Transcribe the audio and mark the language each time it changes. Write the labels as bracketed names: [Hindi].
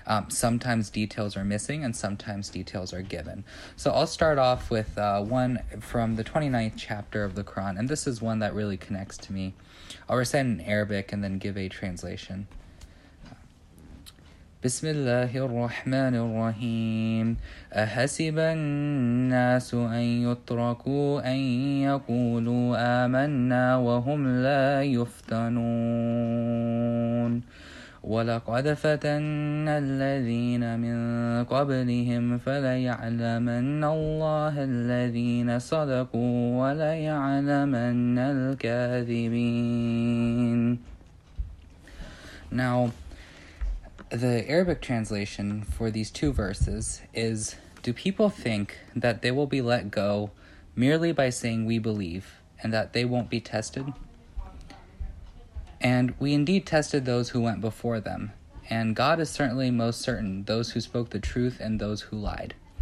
[English] Sometimes details are missing and sometimes details are given. So I'll start off with one from the 29th chapter of the Quran, and this is one that really connects to me. I'll recite in Arabic and then give a translation. [Arabic] بسم الله الرحمن الرحيم أحسب الناس أن يتركوا أن يقولوا آمنا وهم لا يفتنون ولقد فتن الذين من قبلهم فليعلمن الله الذين صدقوا وليعلمن الكاذبين. [English] Now, the Arabic translation for these two verses is, do people think that they will be let go merely by saying we believe and that they won't be tested? And we indeed tested those who went before them, and God is certainly most certain those who spoke the truth and those who lied.